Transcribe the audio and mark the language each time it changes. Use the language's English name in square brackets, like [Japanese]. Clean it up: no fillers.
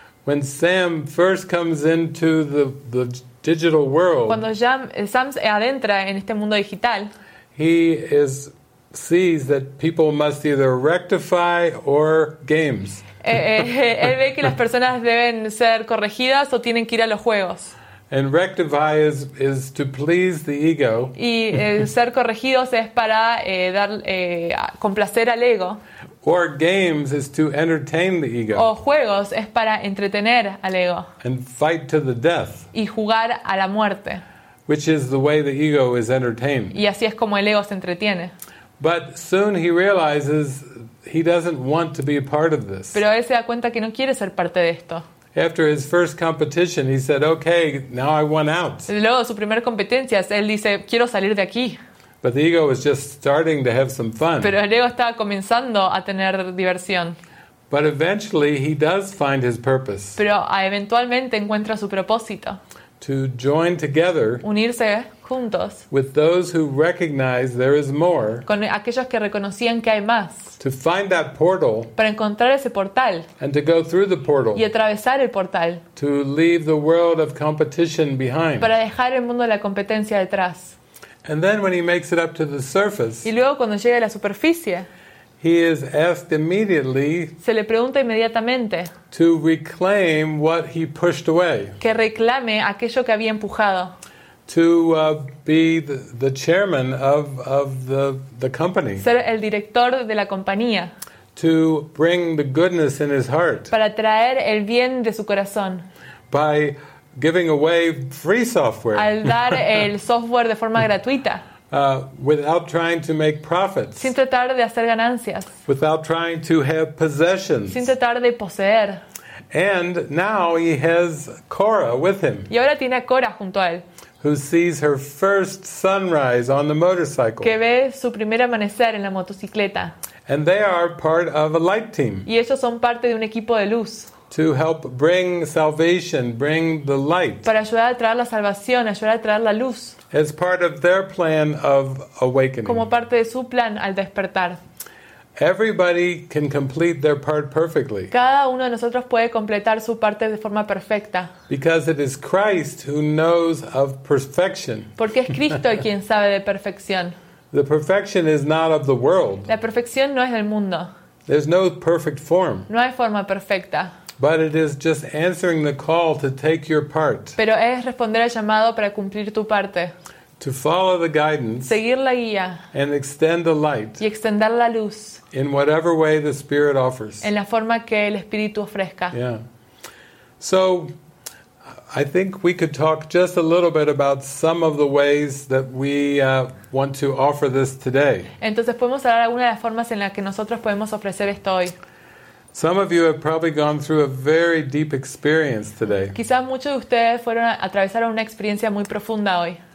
[English] When Sam first comes into the digital world, [Spanish] cuando Sam adentra en este mundo digital, [English] sees that people must either rectify or games. [Spanish] Él ve que las personas deben ser corregidas o tienen que ir a los juegos. [English] And rectify is to please the ego. [Spanish] Y ser corregidos es para complacer al ego. [English] Or games is to entertain the ego. [Spanish] O juegos es para entretener al ego. [English] And fight to the death. [Spanish] Y jugar a la muerte. [English] Which is the way the ego is entertained. [Spanish] Y así es como el ego se entretiene. [English] But soon he realizes he doesn't want to be a part of this. [Spanish] Pero él se da cuenta que no quiere ser parte de esto. [English] After his first competition, he said, "Okay, now I want out." [Spanish] Luego su primera competencia, él dice, "Quiero salir de aquí." [English] But the ego was just starting to have some fun. [Spanish] Pero el ego estaba comenzando a tener diversión. [English] But eventually he does find his purpose. [Spanish] Pero eventualmente encuentra su propósito. [English] To join together. [Spanish] Unirse juntos. [English] With those who recognize there is more. [Spanish] Con aquellos que reconocían que hay más. [English] To find that portal. [Spanish] Para encontrar ese portal. [English] And to go through the portal. [Spanish] Y atravesar el portal. [English] To leave the world of competition behind. [Spanish] Para dejar el mundo de la competencia detrás. [English] And then when he makes it up to the surface. [Spanish] Y luego cuando llega a la superficie. [English] He is asked immediately. [Spanish] Se le pregunta inmediatamente. [English] To reclaim what he pushed away. [Spanish] Que reclame aquello que había empujado. [English] To be the chairman of the company. [Spanish] Ser el director de la compañía. [English] To bring the goodness in his heart. [Spanish] Para traer el bien de su corazón. [English] By giving away free software. [Spanish] Al dar el software de forma gratuita. [English] Without trying to make profits. [Spanish] Sin tratar de hacer ganancias. [English] Without trying to have possessions. [Spanish] Sin tratar de poseer. [English] And now he has Cora with him. [Spanish] Y ahora tiene a Cora junto a él. [English] Who sees her first sunrise on the motorcycle. [Spanish] Que ve su primer amanecer en la motocicleta. [English] And they are part of a light team. [Spanish] Y ellos son parte de un equipo de luz. [English] To help bring salvation, bring the light. [Spanish] Para ayudar a traer la salvación, ayudar a traer la luz. [English] As part of their plan of awakening. [Spanish] Como parte de su plan al despertar. [English] Everybody can complete their part perfectly. [Spanish] Cada uno de nosotros puede completar su parte de forma perfecta. [English] Because it is Christ who knows of perfection. [Spanish] Porque es Cristo quien sabe de perfección. [English] The perfection is not of the world. [Spanish] La perfección no es del mundo. [English] There's no perfect form. [Spanish] No hay forma perfecta. [English] But it is just answering the call to take your part. [Spanish] Pero es responder al llamado para cumplir tu parte. [English] To follow the guidance. [Spanish] Seguir la guía. [English] And extend the light. [Spanish] Y extender la luz. [English] In whatever way the Spirit offers. [Spanish] En la forma que el Espíritu ofrezca. [English] Yeah. So, I think we could talk just a little bit about some of the ways that we want to offer this today. [Spanish] Entonces podemos hablar algunas de las formas en las que nosotros podemos ofrecer esto hoy. [English] Some of you have probably gone through a very deep experience today. [Spanish] Quizás muchos de ustedes fueron atravesaron una experiencia muy profunda hoy.